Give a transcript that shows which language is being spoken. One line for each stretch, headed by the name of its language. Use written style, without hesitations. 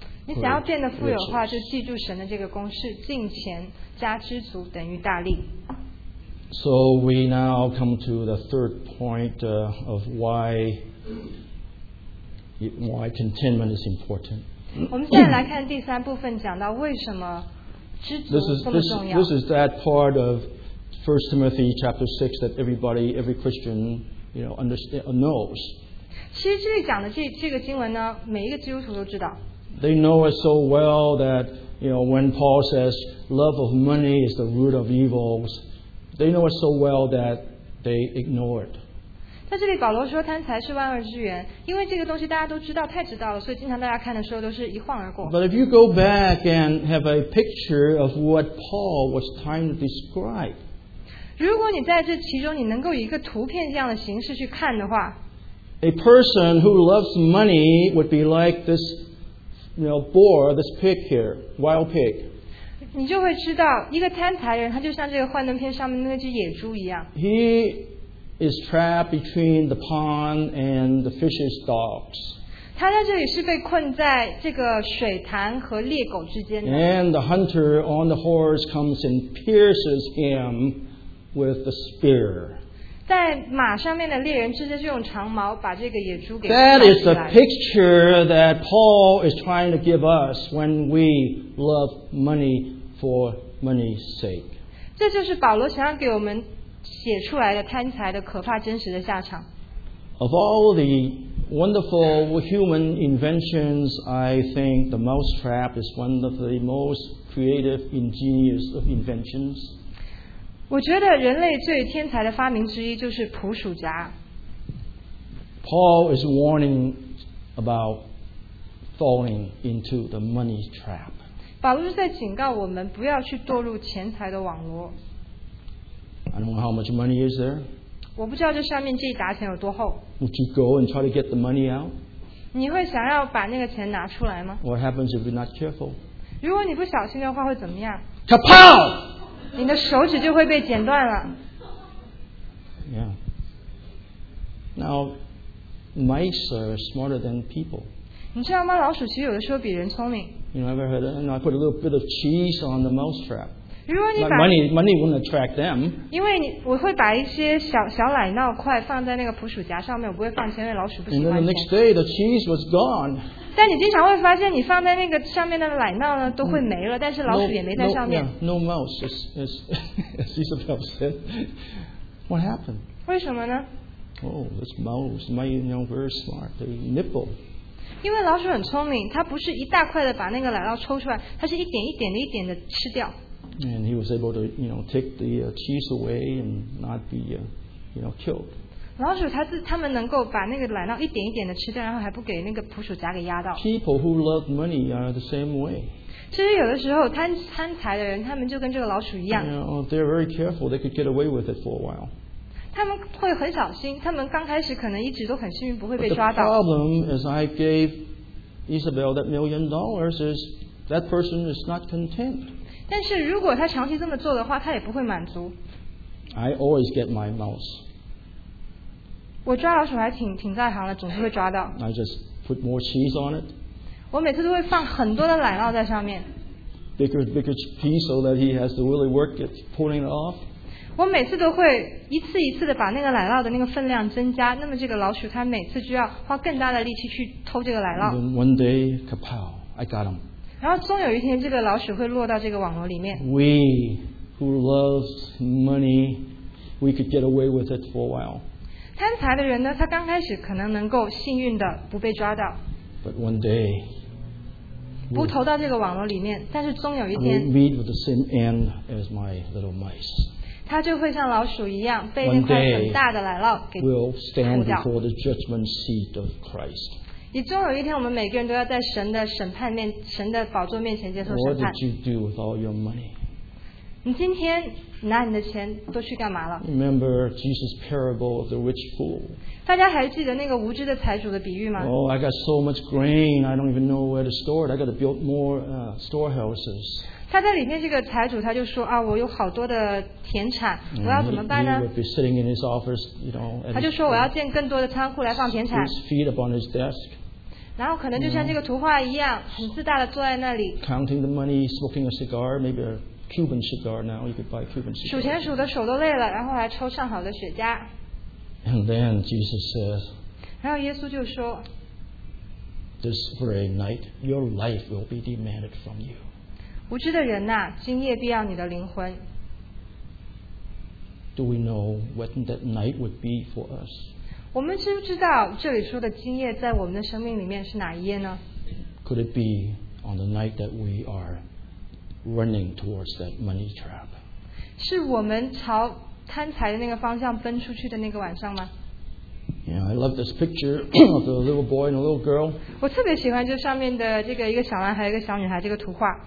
Chinese: 你想要变得富有的话就记住神的这个公式金钱加知足等于大力
English: So we now come to the third point of why contentment is important
Chinese: 我们现在来看第三部分讲到为什么知足这么重要
English: this is that part of 1 Timothy chapter 6 that every Christian you know, understand, knows
Chinese: 其实这里讲的 这个经文呢每一个基督徒都知道
English: They know it so well that, you know, when Paul says love of money is the root of evils, they know it so well that they ignore it.
Chinese: 在这里保罗说贪财是万恶之源，因为这个东西大家都知道，太知道了，所以经常大家看的时候都是一晃而过。
English: But if you go back and have a picture of what Paul was trying to describe,
Chinese: 如果你在这其中你能够以一个图片这样的形式去看的话
English: ，A person who loves money would be like this. You know, boar, this pig here, wild pig.
Chinese: 你就会知道，一个贪财人，他就像这个幻灯片上面那只野猪一样。
English: He is trapped between the pond and the fish's dogs.
Chinese: 他在这里是被困在这个水潭和猎狗之间的。
English: And the hunter on the horse comes and pierces him with the spear.
Chinese: 在马上面的猎人直接就用长矛把这个野猪给
English: That is the picture that Paul is trying to give us when we love money for money's sake.
Chinese: 这就是保罗想要给我们写出来的贪财的可怕真实的下场。
English: Of all the wonderful human inventions, I think the mouse trap is one of the most creative, ingenious of inventions.
Chinese: 我觉得人类最天才的发明之一就是捕鼠夹。
English: Paul is warning about falling into the money trap.
Chinese: 保罗是在警告我们不要去堕入钱财的网罗。
English: I don't know how much money is there.
Chinese: 我不知道这上面这一沓钱有多厚。
English: Would you go and try to get the money out?
Chinese: 你会想要把那个钱拿出来吗
English: ？What happens if you're not careful?
Chinese: 如果你不小心的话会怎么样
English: ？Kapow!
Chinese: 你的手指就会被剪断了。
English: Yeah. Now, mice are smarter than people.
Chinese: 你知道吗？老鼠其实有的时候比人聪明。
English: You know, I've heard, and I put a little bit of cheese on the mouse trap.
Chinese: 如果你把
English: money wouldn't attract them.
Chinese: 因为你我会把一些小奶酪块放在那个捕鼠夹上面，我不会放钱，因为老鼠不喜欢钱。
English: And then the next day, the cheese was gone.
Chinese: 但你经常会发现，你放在那个上面的奶酪呢，都会没了，但是老鼠也没在上面。
English: No mouse, as Isabel said. What happened?
Chinese: 为什么呢
English: ？Oh, this mouse, my, you know, very smart. They nibble.
Chinese: 因为老鼠很聪明，它不是一大块的把那个奶酪抽出来，它是一点一点的一点的吃掉。
English: And he was able to, you know, take the cheese away and not be, you know, killed.
Chinese: 老鼠他们能够把那个奶酪一点一点的吃掉，然后还不给那个捕鼠夹给压到。
English: People who love money are the same way.
Chinese: 其实有的时候贪财的人，他们就跟这个老鼠一样。
English: You know, they're very careful. They could get away with it for a while.
Chinese: 他们会很小心，他们刚开始可能一直都很幸运，不会被抓到。
English: But the problem is, I gave Isabel that $1 million. Is that person is not content?
Chinese: 但是如果他长期这么做的话，他也不会满足。
English: I always get my mouse.
Chinese: 我抓老鼠还挺在行的，总是会抓到。
English: I just put more cheese on it.
Chinese: 我每次都会放很多的奶酪在上面。
English: Bigger piece so that he has to really work at pulling it off.
Chinese: 我每次都会一次一次的把那个奶酪的那个分量增加，那么这个老鼠它每次就要花更大的力气去偷这个奶酪。
English: One day, kapow, I got him.
Chinese: 然后终有一天，这个老鼠会落到这个网络里面。
English: We who love money, we could get away with it for a while.
Chinese: 贪财的人呢，他刚开始可能能够幸运的不被抓到。
English: But one day,
Chinese: 不投到这个网络里面，但是终有一天。
English: We meet with the same end as my little mice.
Chinese: 他就会像老鼠一样被那块很大的奶酪给吐掉。
English: We'll stand before the judgment seat of Christ.
Chinese: 也终有一天，我们每个人都要在神的审判面、神的宝座面前接受审判。
English: What did you do with all your money?
Chinese: 你今天拿你的钱都去干嘛了？
English: Remember Jesus' parable of the rich fool.
Chinese: 大家还记得那个无知的财主的比喻吗？
English: Oh, I got so much grain, I don't even know where to store it. I got to build more storehouses.
Chinese: 他在里面这个财主他就说啊，我有好多的田产，我要怎么办呢？
English: He would be sitting in his office, you know, at his,
Chinese: 他就说我要建更多的仓库来放田产。
English: His feet upon his desk,
Chinese: 然后可能就像这个图画一样，很自大的坐在那里。
English: Counting the money, smoking a cigar, maybe a Cuban cigar. Now you could buy a Cuban cigar.
Chinese: 数钱数的手都累了，然后还抽上好的雪茄。
English: And then Jesus says,
Chinese: 然后耶稣就说
English: ，This very night, your life will be demanded from you.
Chinese: 无知的人呐、啊，今夜必要你的灵魂。
English: Do we know what that night would be for us?
Chinese: 我们知不知道这里说的今夜在我们的生命里面是哪一夜呢
English: ？Could it be on the night that we are running towards that money trap?
Chinese: 是我们朝贪财的那个方向奔出去的那个晚上吗
English: ？Yeah, I love this picture of the little boy and a little girl.
Chinese: 我特别喜欢这上面的这个一个小男孩一个小女孩这个图画。